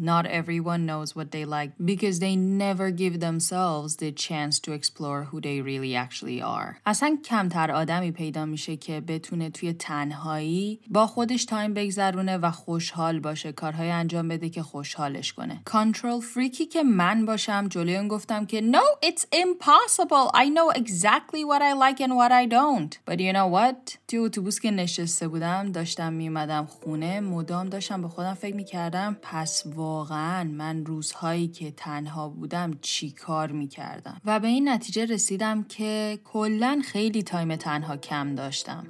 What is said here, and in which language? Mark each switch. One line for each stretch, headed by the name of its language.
English: Not everyone knows what they like because they never give themselves the chance to explore who they really actually are.
Persian: اصلا کمتر آدمی پیدا میشه که بتونه توی تنهایی با خودش تایم بگذرونه و خوشحال باشه، کارهای انجام بده که خوشحالش کنه.
English: Control freaky
Persian: که من باشم، جلوی اون گفتم که
English: no, it's impossible. I know exactly what I like and what I don't. But you know what?
Persian: توی اتوبوس که نشسته بودم، داشتم میومدم خونه، مدام داشتم به خودم فکر میکردم پس واقعا من روزهایی که تنها بودم چی کار میکردم و به این نتیجه رسیدم که کلن خیلی تایم تنها کم داشتم.